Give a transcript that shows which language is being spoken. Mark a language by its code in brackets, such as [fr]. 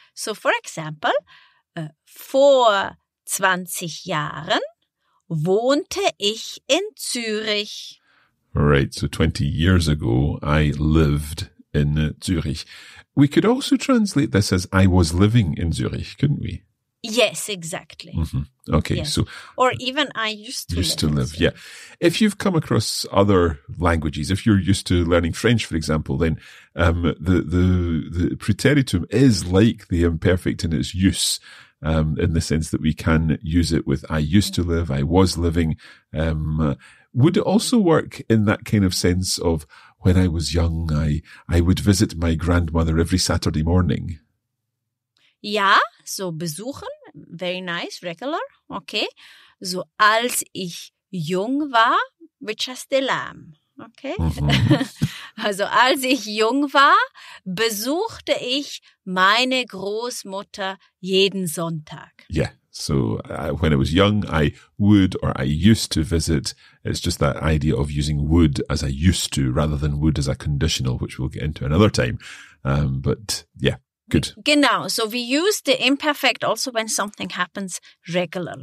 [en] So for example, [de] vor 20 Jahren wohnte ich in Zürich. [en] Right. So 20 years ago, I lived in Zürich. We could also translate this as I was living in Zürich, couldn't we? Yes, exactly. Mm-hmm. Okay, yes. So... Or even I used to used to live, yeah. If you've come across other languages, if you're used to learning French, for example, then the preteritum is like the imperfect in its use, in the sense that we can use it with I used to live, I was living. Would it also work in that kind of sense of when I was young, I would visit my grandmother every Saturday morning? Ja, so besuchen, very nice, regular, okay. So [de] als ich jung war, [en] which I still am, okay. Mm-hmm. [de] Also als ich jung war, besuchte ich meine Großmutter jeden Sonntag. [en] Yeah, so when I was young, I would or I used to visit. It's just that idea of using would as I used to rather than would as a conditional, which we'll get into another time. But yeah. Good. [de] Genau. [en] So we use the imperfect also when something happens regularly.